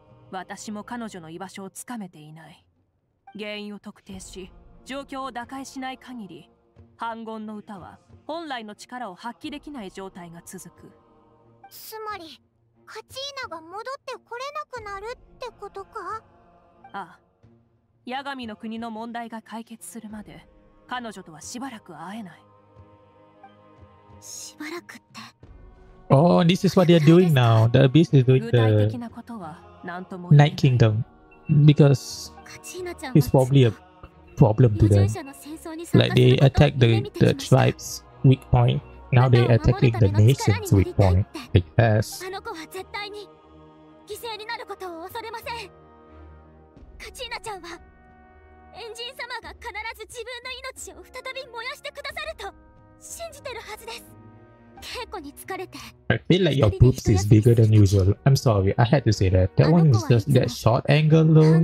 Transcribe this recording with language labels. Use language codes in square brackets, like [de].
[ja] 私も彼女の居場所をつかめていない。原因を特定し状況を打開しない限り、反魂の歌は本来の力を発揮できない状態が続く。つまりカチーナが戻ってこれなくなるってことか？ああ、ヤガミの国の問題が解決するまで彼女とはしばらく会えない。しばらくって？ [en] Oh, this is what they are doing now. The beast is doing the Night Kingdom because it's probably a problem to them. Like they attack the tribe's weak point. Now they attacking the nation's weak point. I guess. [ja] あの子は絶対に犠牲になることを恐れません。カチーナちゃんはエンジン様が必ず自分の命を再び燃やしてくださると信じてるはずです。稽古に疲れて。 [en] I feel like your boobs is bigger than usual. I'm sorry, I had to say that. That one is just that short angle, though.